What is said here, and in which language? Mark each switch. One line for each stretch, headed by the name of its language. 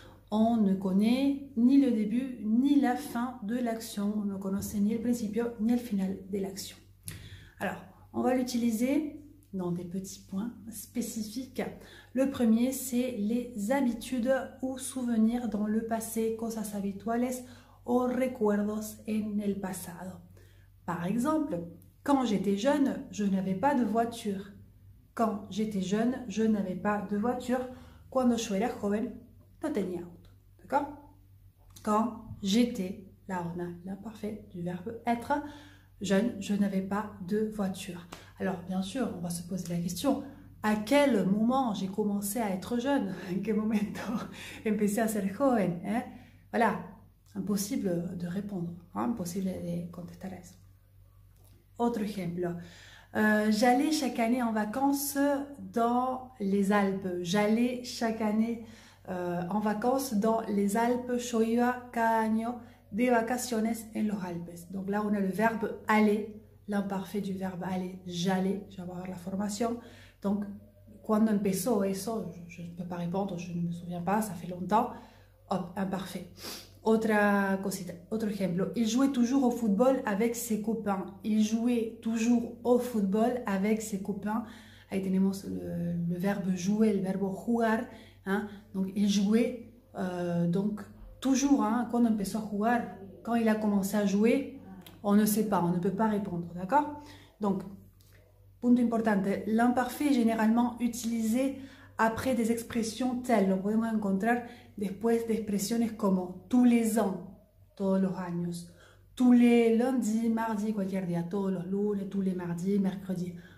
French: On ne connaît ni le début ni la fin de l'action. On ne connaissait ni le principio ni le final de l'action. Alors, on va l'utiliser dans des petits points spécifiques. Le premier, c'est les habitudes ou souvenirs dans le passé.
Spanish: Cosas habituales o recuerdos en el pasado.
French: Par exemple, quand j'étais jeune, je n'avais pas de voiture. Quand j'étais jeune, je n'avais pas de voiture.
Spanish: Cuando yo era joven, no tenía auto.
French: D'accord? Quand j'étais, là on a l'imparfait du verbe être, jeune, je n'avais pas de voiture. Alors, bien sûr, on va se poser la question, à quel moment j'ai commencé à être jeune?
Spanish: En qué momento empecé a ser joven? Hein?
French: Voilà, impossible de répondre, hein? Impossible de
Spanish: contestar eso.
French: Autre exemple. J'allais chaque année en vacances dans les Alpes. J'allais chaque année en vacances dans les Alpes.
Spanish: Yo iba cada año de vacaciones en los Alpes.
French: Donc là, on a le verbe aller, l'imparfait du verbe aller. J'allais, je vais avoir la formation. Donc,
Spanish: cuando empezó eso,
French: je ne peux pas répondre, je ne me souviens pas, ça fait longtemps. Hop, imparfait. Autre exemple, il jouait toujours au football avec ses copains. Il jouait toujours au football avec ses copains.
Spanish: Ahí tenemos
French: le verbe jouer, le verbe jugar. Hein? Donc, il jouait donc, toujours, hein?
Spanish: Cuando empezó a jugar,
French: quand il a commencé à jouer, on ne sait pas, on ne peut pas répondre, d'accord? Donc,
Spanish: punto importante,
French: l'imparfait est généralement utilisé après des expressions telles. On peut
Spanish: encontrar después de expresiones como
French: tous les ans,
Spanish: todos los años,
French: tous les lundis, mardi,
Spanish: cualquier día, todos los lunes,
French: tous les mardis, mercredi.